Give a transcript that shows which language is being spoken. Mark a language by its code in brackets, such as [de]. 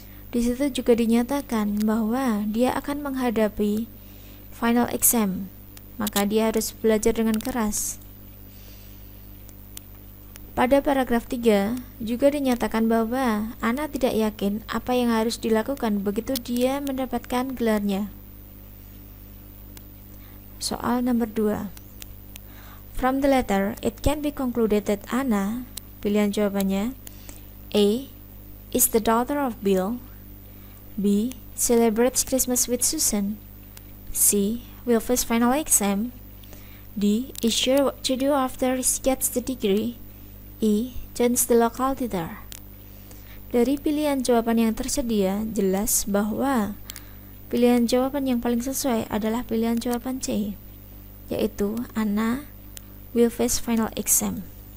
[id] Di situ juga dinyatakan bahwa dia akan menghadapi final exam, maka dia harus belajar dengan keras. Pada paragraf 3 juga dinyatakan bahwa Anna tidak yakin apa yang harus dilakukan begitu dia mendapatkan gelarnya. Soal nomor 2. [en] From the letter, it can be concluded that Anna, [id] pilihan jawabannya, [en] A. is the daughter of Bill, B. celebrates Christmas with Susan, C. will face final exam, D. is sure what to do after she gets the degree, E. joins the local theater. [id] Dari pilihan jawaban yang tersedia, jelas bahwa pilihan jawaban yang paling sesuai adalah pilihan jawaban C, yaitu [en] Anna will face final exam.